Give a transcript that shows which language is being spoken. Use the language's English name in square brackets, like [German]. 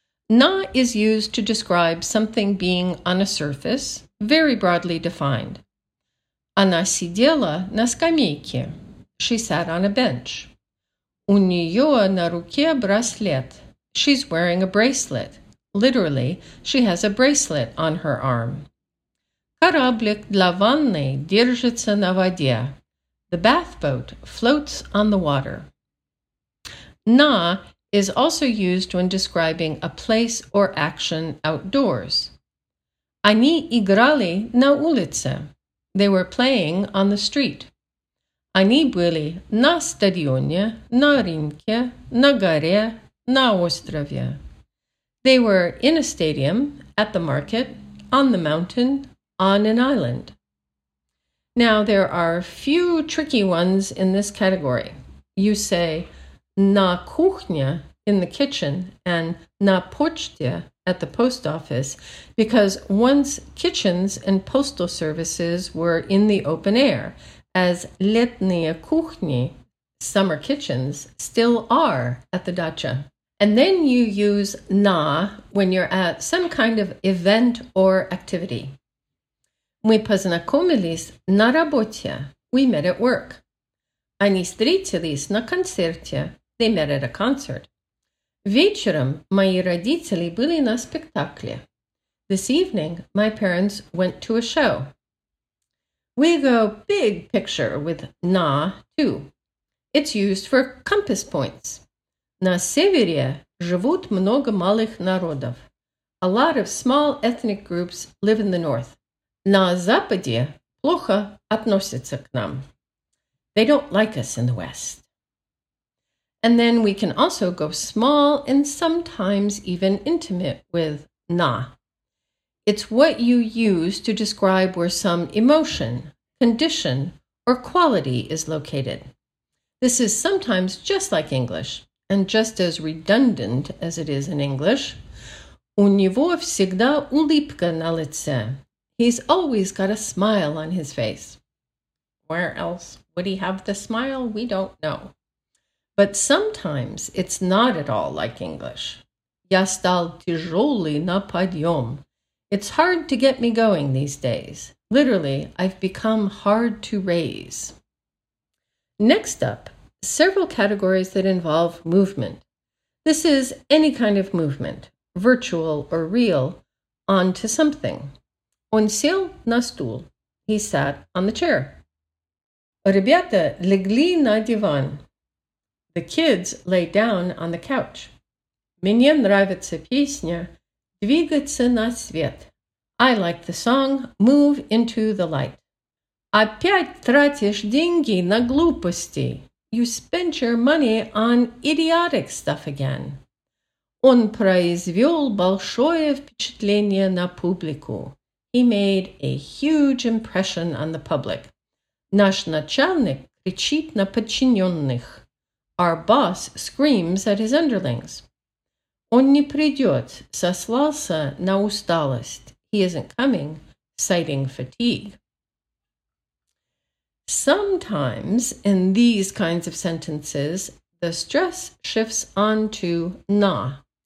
[English] Na is used to describe something being on a surface, very broadly defined. [Russian] Она сидела на скамейке. [English] She sat on a bench. [Russian] У нее на руке браслет. [English] She's wearing a bracelet. Literally, she has a bracelet on her arm. [Russian] Кораблик для ванны держится на воде. [English] The bath boat floats on the water. На is also used when describing a place or action outdoors. [Russian] Они играли на улице. [English] They were playing on the street. [Russian] Они были на стадионе, на ринке, на горе, на острове. [English] They were in a stadium, at the market, on the mountain, on an island. Now, there are a few tricky ones in this category. You say [Russian] на кухне [English] in the kitchen and [Russian] на почте [English] at the post office because once kitchens and postal services were in the open air, as [Russian] летние кухни, [English] summer kitchens, still are at the dacha. And then you use на when you're at some kind of event or activity. [Russian] Мы познакомились на работе. [English] We met at work. [Russian] Они встретились на концерте. [English] They met at a concert. [Russian] Вечером мои родители были на спектакле. [English] This evening, my parents went to a show. We go big picture with на, too. It's used for compass points. [Russian] На севере живут много малых народов. [English] A lot of small ethnic groups live in the north. [Russian] На западе плохо относятся к нам. [English] They don't like us in the west. And then we can also go small and sometimes even intimate with на. It's what you use to describe where some emotion, condition, or quality is located. This is sometimes just like English, and just as redundant as it is in English. [Russian] У него всегда улыбка на лице. [English] He's always got a smile on his face. Where else would he have the smile? We don't know. But sometimes it's not at all like English. [Russian] Я стал тяжелый на подъем. [English] It's hard to get me going these days. Literally, I've become hard to raise. Next up, several categories that involve movement. This is any kind of movement, virtual or real, onto something. [Russian] Он сел на стул. [English] He sat on the chair. [Russian] Ребята легли на диван. [English] The kids lay down on the couch. [Russian] Мне нравится песня «Двигаться на свет». [English] I like the song, Move Into the Light. [Russian] Опять тратишь деньги на глупости. [English] You spent your money on idiotic stuff again. [Russian] Он произвел большое впечатление на публику. [English] He made a huge impression on the public. [Russian] Наш начальник кричит на подчиненных. [English] Our boss screams at his underlings. [Russian] Он не придет, сослался на усталость. [English] He isn't coming, citing fatigue. Sometimes, in these kinds of sentences, the stress shifts onto на.